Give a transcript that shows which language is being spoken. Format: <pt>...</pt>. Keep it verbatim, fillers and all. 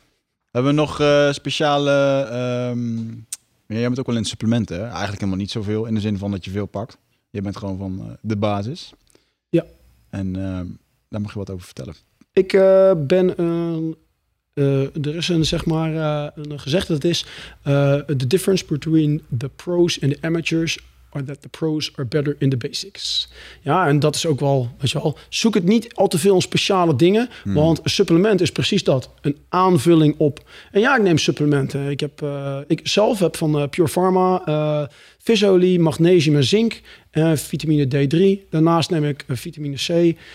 <nl>We hebben nog uh, speciale... Um... Ja, jij bent ook wel in supplementen, hè? Eigenlijk helemaal niet zoveel. In de zin van dat je veel pakt. Je bent gewoon van uh, de basis. Ja. En uh, daar mag je wat over vertellen. Ik uh, ben... Uh, uh, er is een, zeg maar, uh, een gezegde dat is...</nl> <en>Uh, the difference between the pros and the amateurs... or that the pros are better in the basics.</en> <nl>Ja, en dat is ook wel, weet je wel... zoek het niet al te veel aan speciale dingen... Hmm. want een supplement is precies dat. Een aanvulling op. En ja, ik neem supplementen. Ik, heb, uh, ik zelf heb van uh, Pure Pharma... Uh, visolie, magnesium en zink... en vitamine D drie. Daarnaast neem ik uh, vitamine C.</nl>